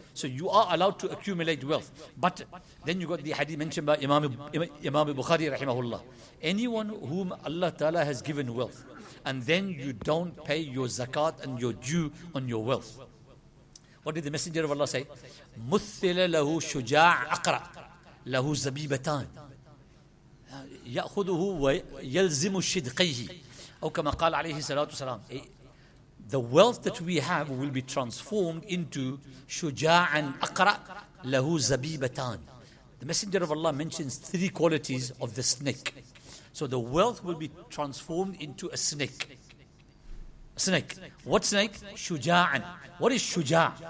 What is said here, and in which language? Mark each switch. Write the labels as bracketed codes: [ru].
[en] So you are allowed to accumulate wealth. But then you got the hadith mentioned by Imam Bukhari, rahimahullah. Anyone whom Allah Ta'ala has given wealth, and then you don't pay your zakat and your due on your wealth. What did the Messenger of Allah say? [ar] مُثِّلَ لَهُ شُجَاعَ أَقْرَى لَهُ زَبِيبَتَانِ يَأْخُذُهُ وَيَلْزِمُ الشِّدْقِيهِ أو كما قال عليه الصلاة والسلام. [en] The wealth that we have will be transformed into [ar] شُجَاعًا أَقْرَى لَهُ زَبِيبَتَانِ. [en] The Messenger of Allah mentions three qualities of the snake. So the wealth will be transformed into a snake. Snake. What snake? Shuja'an. What is Shuja'an?